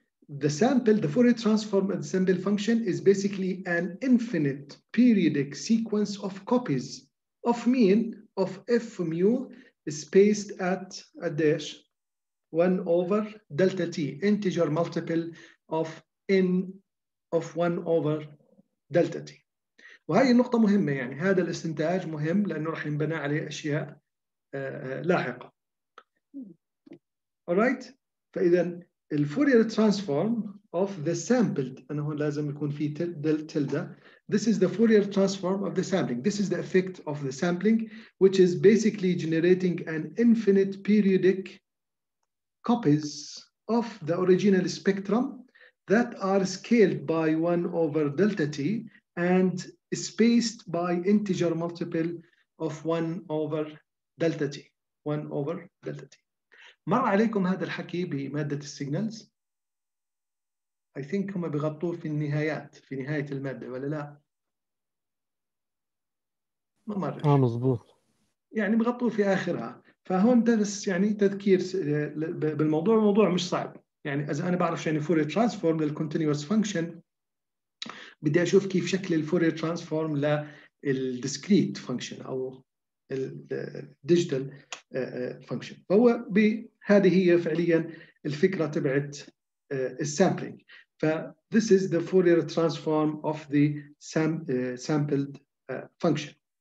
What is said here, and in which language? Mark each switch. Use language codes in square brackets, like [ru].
[en] the sample the Fourier transform of the sample function is basically an infinite periodic sequence of copies of mean of f mu spaced at a dash 1 over delta t integer multiple of n of 1 over delta t [ar] وهي النقطة مهمة يعني هذا الاستنتاج مهم لأنه راح ينبنى عليه أشياء لاحقة [en] alright فإذا [ar] الفوريير ترانسفورم [en] of the sampled, [ar] أنه هون لازم يكون في tilde. [en] This is the Fourier transform of the sampling. This is the effect of the sampling, which is basically generating an infinite periodic copies of the original spectrum that are scaled by 1 over delta t and spaced by integer multiple of 1 over delta t. 1 over delta t. [ar] مر عليكم هذا الحكي بمادة السيجنالز؟ [en] I think [ar] هما بيغطوه في النهايات، في نهاية المادة ولا لا؟ ما مرش. آه مزبوط. يعني بيغطوه في آخرها، فهون درس يعني تذكير بالموضوع، الموضوع مش صعب. يعني إذا أنا بعرف يعني فوري ترانسفورم للكونتينيوس فانكشن، بدي أشوف كيف شكل الفوري ترانسفورم للديسكريت فانكشن أو الديجيتال فانكشن. فهو بهذه هي فعلياً الفكرة تبعت السامبلينج. [en] فthis is the Fourier transform of the sampled function.